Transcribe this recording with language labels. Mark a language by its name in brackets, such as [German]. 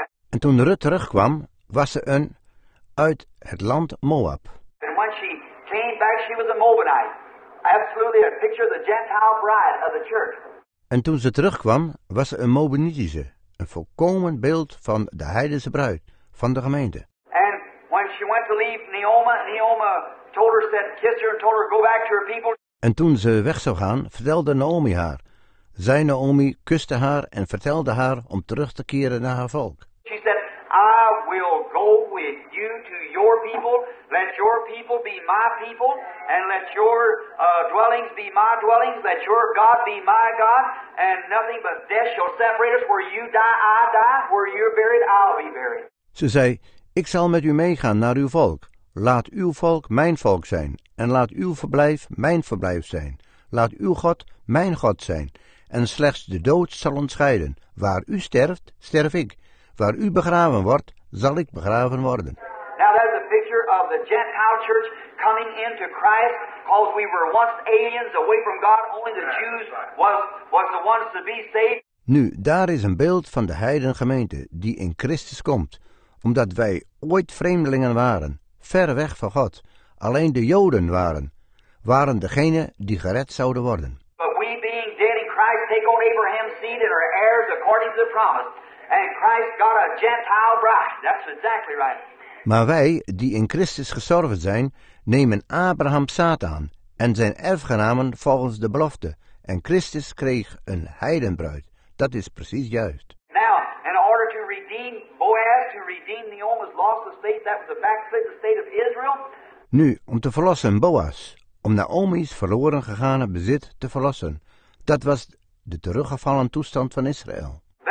[Dutch] En toen Rut terugkwam, was ze een uit het land Moab. [English] And when she came back, she was a Moabite. Absolutely a picture of the Gentile bride of the church. [Dutch] En toen ze terugkwam, was ze een Moabitische. Een volkomen beeld van de heidense bruid, van de gemeente. [English] And when she went to leave Naomi told her, said, kiss her and told her, go back to her people. [Dutch] En toen ze weg zou gaan, vertelde Naomi haar. Zij Naomi kuste haar en vertelde haar om terug te keren naar haar volk. [English] She said, I will go with you to your people. Let your people be my people. And let your dwellings be my dwellings. Let your God be my God. And nothing but death shall separate us. Where you die, I die. Where you're buried, I'll be buried. [Dutch] Ze zei, ik zal met u meegaan naar uw volk. Laat uw volk mijn volk zijn. En laat uw verblijf mijn verblijf zijn. Laat uw God mijn God zijn. En slechts de dood zal ons scheiden. Waar u sterft, sterf ik. Waar u begraven wordt, zal ik begraven worden. [English] Now that's a picture of the Gentile church coming into Christ, because we were once aliens away from God, only the Jews was the ones to be saved. [Dutch] Nu, daar is een beeld van de heidengemeente die in Christus komt, omdat wij ooit vreemdelingen waren, ver weg van God. Alleen de Joden waren degene die gered zouden worden. [English] But we being dead in Christ take on Abraham's seed and are heirs according to the promise. And Christ got a Gentile bride. That's exactly right. [Dutch] Maar wij, die in Christus gestorven zijn, nemen Abraham's zaad aan en zijn erfgenamen volgens de belofte. En Christus kreeg een heidenbruid. Dat is precies juist. [English] Now, in order to redeem Boaz, to redeem Naomi's lost estate, that was the backslidden state of Israel. [Dutch] Nu, om te verlossen Boaz, om Naomi's verloren gegaane bezit te verlossen, dat was de teruggevallen toestand van Israël.